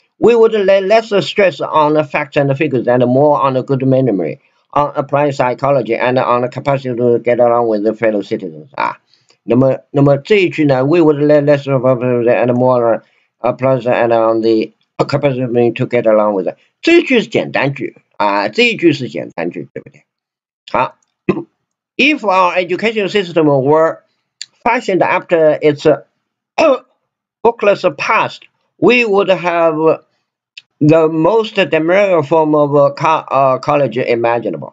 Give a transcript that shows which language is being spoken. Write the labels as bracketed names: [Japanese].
[English] we would lay less stress on the facts and the figures and more on the good memory on applied psychology and on the capacity to get along with the fellow citizens 啊。 [Chinese] 那么这一句呢 [English] we would lay less of and more plus and on the capacity to get along with it. [Chinese] 这一句是简单句啊，这一句是简单句，对不对？ [English] 好， if our education system were fashioned after its bookless past, we would have the most demoral form of college imaginable.